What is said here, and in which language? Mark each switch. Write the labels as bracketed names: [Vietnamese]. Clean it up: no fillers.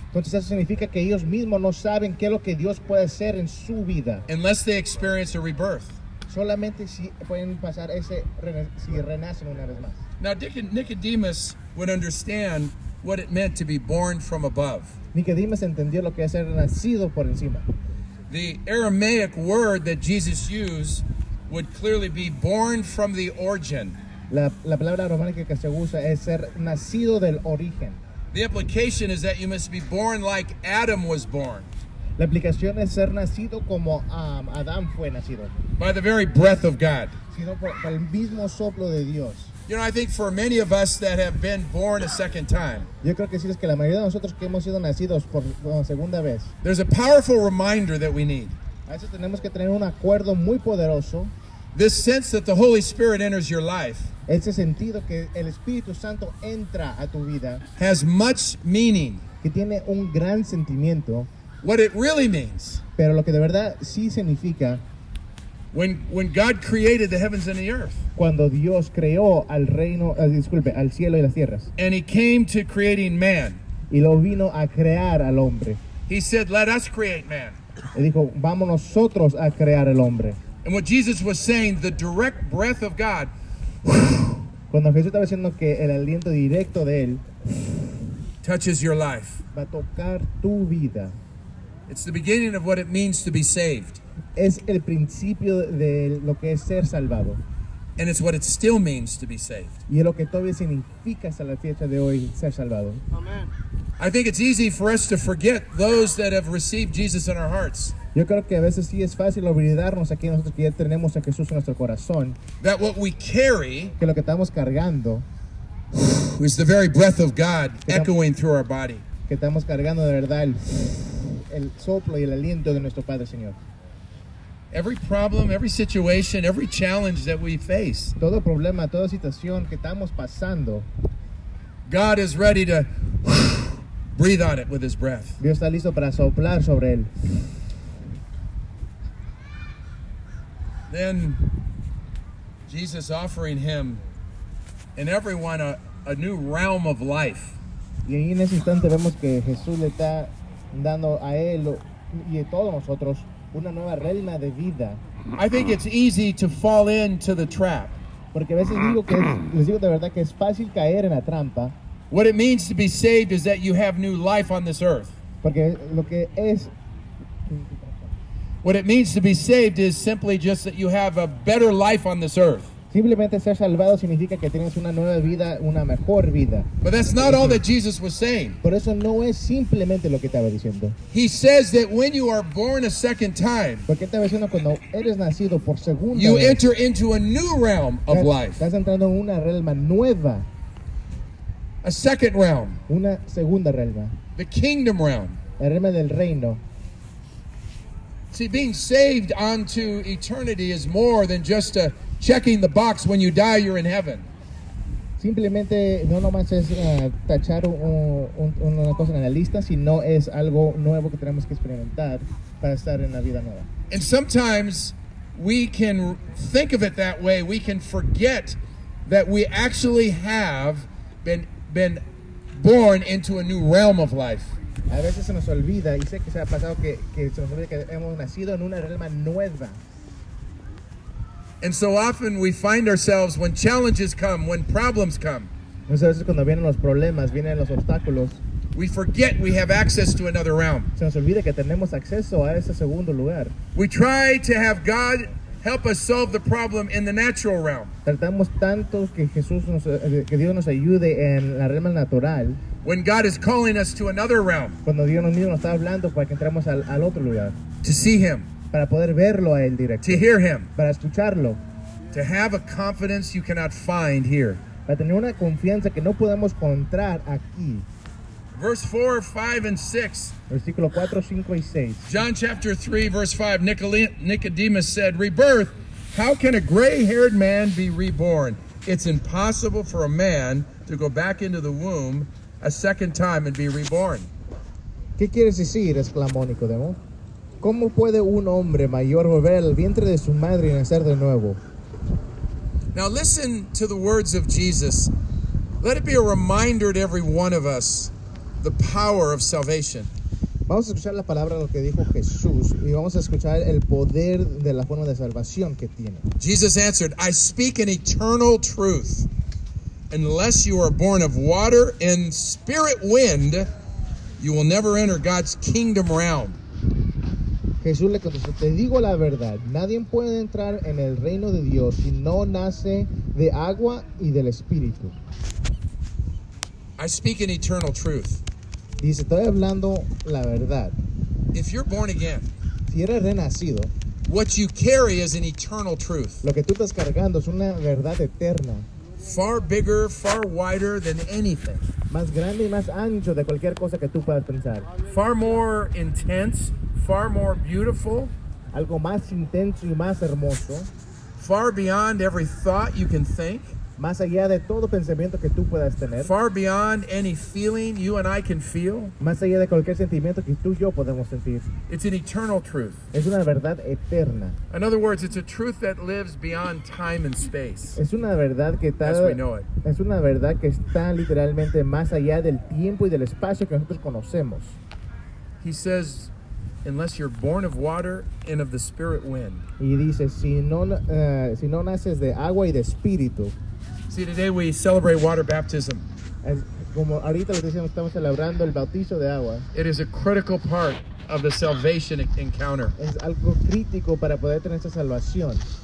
[Spanish] Entonces eso significa que ellos mismos no saben qué es lo que Dios puede hacer en su vida. [English] Unless they experience a rebirth. [Spanish] Solamente si pueden pasar ese si renacen una vez más. [English] Now Nicodemus would understand what it meant to be born from above. [Spanish] Nicodemus entendió lo que es ser nacido por encima. [English] The Aramaic word that Jesus used would clearly be born from the origin. [Spanish] La palabra románica que se usa es ser nacido del origen. [English] The implication is that you must be born like Adam was born. [Spanish] La aplicación es ser nacido como Adán fue nacido. [English] By the very breath of God. [Spanish] Sino por el mismo soplo de Dios. [English] You know, I think for many of us that have been born a second time. [Spanish] Yo creo que sí, es que la mayoría de nosotros que hemos sido nacidos por segunda vez. [English] There's a powerful reminder that we need. [Spanish] A veces tenemos que tener un acuerdo muy poderoso. [English] This sense that the Holy Spirit enters your life. [Spanish] Ese sentido que el Espíritu Santo entra a tu vida. [English] Has much meaning. [Spanish] Que tiene un gran sentimiento. [English] What it really means. [Spanish] Pero lo que de verdad sí significa. [English] When God created the heavens and the earth. [Spanish] Cuando Dios creó al reino, al cielo y las tierras. [English] And he came to creating man. [Spanish] Y lo vino a crear al hombre. [English] He said, "Let us create man." [Spanish] Y dijo, "Vamos nosotros a crear el hombre." [English] And what Jesus was saying, the direct breath of God. [Spanish] Cuando Jesús estaba diciendo que el aliento directo de él [English] touches your life. [Spanish] Va a tocar tu vida. [English] It's the beginning of what it means to be saved. [Spanish] Es el principio de lo que es ser salvado. [English] And it's what it still means to be saved. [Spanish] Y es lo que todavía significa hasta la fecha de hoy ser salvado. [English] Amen. I think it's easy for us to forget those that have received Jesus in our hearts. [Spanish] Yo creo que a veces sí es fácil olvidarnos aquí nosotros que ya tenemos a Jesús en nuestro corazón. [English] That what we carry, [Spanish] que lo que estamos cargando, [English] is the very breath of God echoing through our body. [Spanish] Que estamos cargando de verdad el soplo y el aliento de nuestro Padre Señor. [English] Every problem, every situation, every challenge that we face. [Spanish] Todo problema, toda situación que estamos pasando. [English] God is ready to breathe on it with his breath. [Spanish] Dios está listo para soplar sobre él. [English] Then Jesus offering him and everyone a new realm of life. [Spanish] Y ahí en ese instante vemos que Jesús le está dando a él y a todos nosotros una nueva realma de vida. [English] I think it's easy to fall into the trap. [Spanish] Porque a veces digo que les digo de verdad que es fácil caer en la trampa. [English] What it means to be saved is that you have new life on this earth. [Spanish] Porque lo que es [English] what it means to be saved is simply just that you have a better life on this earth. [Spanish] Simplemente ser salvado significa que tienes una nueva vida, una mejor vida. [English] But that's not all that Jesus was saying. [Spanish] Por eso no es simplemente lo que estaba diciendo. [English] He says that when you are born a second time, [Spanish] porque estaba diciendo cuando eres nacido por segunda vez, [English] you enter into a new realm of life. [Spanish] Estás entrando en una realma nueva. [English] A second realm. [Spanish] Una segunda realma. [English] The kingdom realm. [Spanish] La realma del reino. [English] See, being saved onto eternity is more than just a checking the box when you die, you're in heaven. [Spanish] Simplemente no nomás es tachar una cosa en la lista, sino es algo nuevo que tenemos que experimentar para estar en la vida nueva. [English] And sometimes we can think of it that way, we can forget that we actually have been born into a new realm of life. [Spanish] A veces se nos olvida, y sé que se ha pasado que se nos olvida que hemos nacido en una realma nueva. [English] And so often we find ourselves when challenges come, when problems come. [Spanish] Muchas veces cuando vienen los problemas, vienen los obstáculos. [English] We forget we have access to another realm. [Spanish] Se nos olvida que tenemos acceso a ese segundo lugar. [English] We try to have God help us solve the problem in the natural realm. [Spanish] Tratamos tanto que Jesús nos, que Dios nos ayude en la realma natural. [English] When God is calling us to another realm. [Spanish] Cuando Dios nos está hablando para que entremos al otro lugar. [English] To see Him. [Spanish] Para poder verlo a él directo. [English] To hear Him. [Spanish] Para escucharlo. [English] To have a confidence you cannot find here. [Spanish] Para tener una confianza que no podemos encontrar aquí. [English] Verse 4, 5, and 6. [Spanish] Versículo 4, 5, y 6. [English] John chapter 3, verse 5. Nicodemus said, "Rebirth, how can a gray-haired man be reborn? It's impossible for a man to go back into the womb a second time and be reborn." [Spanish] ¿Qué quieres decir? Exclamó Nicodemo. ¿Cómo puede un hombre mayor volver al vientre de su madre y nacer de nuevo? [English] Now listen to the words of Jesus. Let it be a reminder to every one of us. The power of salvation. [Spanish] Vamos a escuchar la palabra de lo que dijo Jesús y vamos a escuchar el poder de la forma de salvación que tiene. [English] Jesus answered, "I speak an eternal truth. Unless you are born of water and spirit wind, you will never enter God's kingdom realm." [Spanish] Jesús le contestó, "Te digo la verdad, nadie puede entrar en el reino de Dios si no nace de agua y del espíritu." [English] I speak an eternal truth. [Spanish] Dice, estoy hablando la verdad. [English] If you're born again, [Spanish] si eres renacido, [English] what you carry is an eternal truth. [Spanish] Lo que tú estás cargando es una verdad eterna. [English] Far bigger, far wider than anything. [Spanish] Más grande y más ancho de cualquier cosa que tú puedas pensar. [English] Far more intense, far more beautiful. [Spanish] Algo más intenso y más hermoso. [English] Far beyond every thought you can think. [Spanish] Más allá de todo pensamiento que tú puedas tener. [English] Far beyond any feeling you and I can feel. [Spanish] Más allá de cualquier sentimiento que tú y yo podemos sentir. [English] It's an eternal truth. [Spanish] Es una verdad eterna. [English] In other words, it's a truth that lives beyond time and space. [Spanish] Es una verdad que está, [English] as we know it. [Spanish] Es una verdad que está literalmente más allá del tiempo y del espacio que nosotros conocemos. [English] He says, "Unless you're born of water and of the spirit wind." [Spanish] Y dice, si no naces de agua y de espíritu. [English] See, today we celebrate water baptism. [Spanish] As, como ahorita les decíamos, estamos celebrando el bautizo de agua. [English] It is a critical part of the salvation encounter. [Spanish] Es algo crítico para poder tener esa salvación.